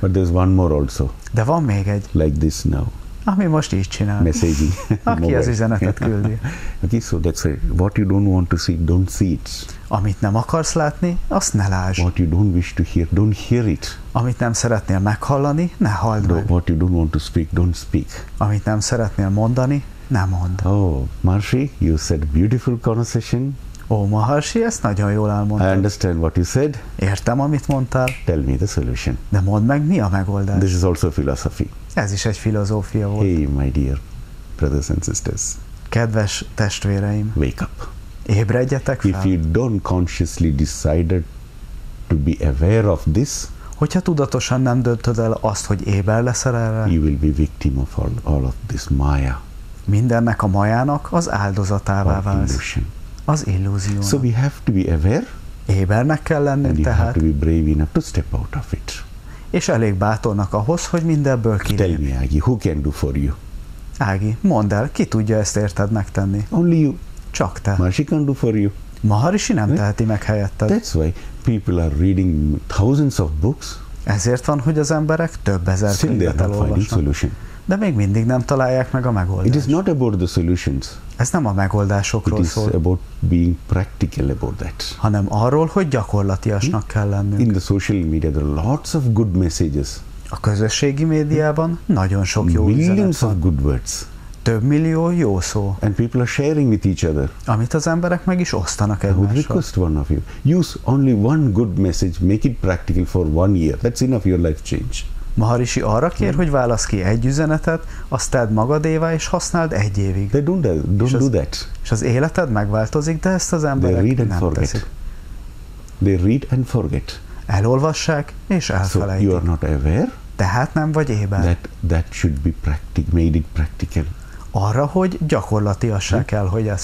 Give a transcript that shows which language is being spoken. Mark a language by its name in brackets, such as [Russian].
[English] But there's one more also. [Hungarian] De van még egy. [English] Like this now. [Hungarian] Ami most így csinál. [English] Messaging. [Hungarian] Aki az üzenetet küldi. [English] Okay, so that's it. What you don't want to see, don't see it. [Hungarian] Amit nem akarsz látni, azt ne lásd. [English] What you don't wish to hear, don't hear it. [Hungarian] Amit nem szeretnél meghallani, ne halld meg. [English] What you don't want to speak, don't speak. [Hungarian] Amit nem szeretnél mondani, ne mondd. [English] Oh, Maharshi, you said beautiful conversation. [Hungarian] Oh, Maharshi, ezt nagyon jól elmondtad. [English] I understand what you said. [Hungarian] Értem, amit mondtál. [English] Tell me the solution. [Hungarian] De mondd meg, mi a megoldás. [English] This is also philosophy. [Hungarian] Ez is egy filozófia volt. [English] Hey, my dear brothers and sisters. [Hungarian] Kedves testvéreim. [English] Wake up. [Hungarian] Ébredjetek fel. [English] If you don't consciously decided to be aware of this, [Hungarian] hogyha tudatosan nem döntöd el azt, hogy éber leszel erre, [English] you will be victim of all of this maya. [Hungarian] Mindennek a majának az áldozatává [English] or [Hungarian] válsz. [English] Illusion. [Hungarian] Az illúzió. [English] So we have to be aware. [Hungarian] Ébernek kell lenni [English] and [Hungarian] tehát. [English] And you have to be brave enough to step out of it. [Hungarian] És elég bátornak ahhoz, hogy mindebből kilépj. [English] Tell me, Ági, who can do for you? [Hungarian] Ági, mondd el, ki tudja ezt érted megtenni? [English] Only you. [Hungarian] Csak te. [English] Maharishi can do for you. [Hungarian] Maharishi nem teheti meg helyetted. [English] That's why people are reading thousands of books. [Hungarian] Ezért van, hogy az emberek több ezer könyvet elolvasnak. De még mindig nem találják meg a megoldást. [English] It is not about the solutions. [Hungarian] Ez nem a megoldásokról [English] it is [Hungarian] szól. [English] About being practical about that. [Hungarian] Hanem arról, hogy gyakorlatiasnak kell lennünk. [English] In the social media there are lots of good messages. [Hungarian] A közösségi médiában nagyon sok jó [English] Millions [Hungarian] üzenet van. [English] Millions of good words. [Hungarian] Több millió jó szó. [English] And people are sharing with each other. Amit az emberek meg is osztanak egymással. I would request one of you. Use only one good message, make it practical for one year. That's enough your life change. [Hungarian] Maharishi arra kér, hogy válasz ki egy üzenetet, azt tedd magadévá, és használd egy évig. [English] They don't do that. [Hungarian] És az életed megváltozik, de ezt az emberek [English] they read and [Hungarian] nem [English] forget. [Hungarian] Teszik. [English] They read and forget. [Hungarian] Elolvassák, és elfelejtik. [English] So you are not aware. [Hungarian] Tehát nem vagy éber. [English] That should be practical, made it practical. [Hungarian] Arra, hogy gyakorlatiassá kell, hogy ezt